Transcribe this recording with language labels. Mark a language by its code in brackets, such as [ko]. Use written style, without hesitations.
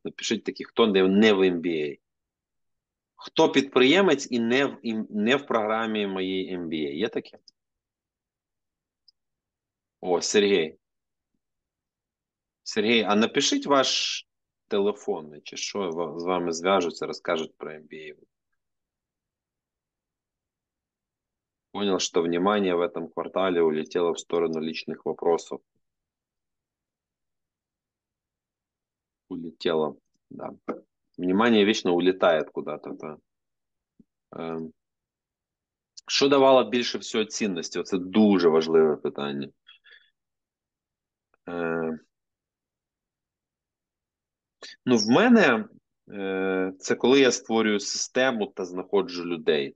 [uk] Напишіть такі, хто не в MBA. Хто підприємець і не в програмі моєї MBA? Є таке? О, Сергій. Сергій, а напишіть ваш телефон, чи що з вами зв'яжуться, розкажуть про MBA. [ru] Понял, що внимание в этом квартале улетело в сторону личных вопросов. Улетело, да. Внимание вечно улетает куда-то. Да. [uk] Що давало більше всього цінності? Оце дуже важливе питання. Ну, в мене це коли я створюю систему та знаходжу людей.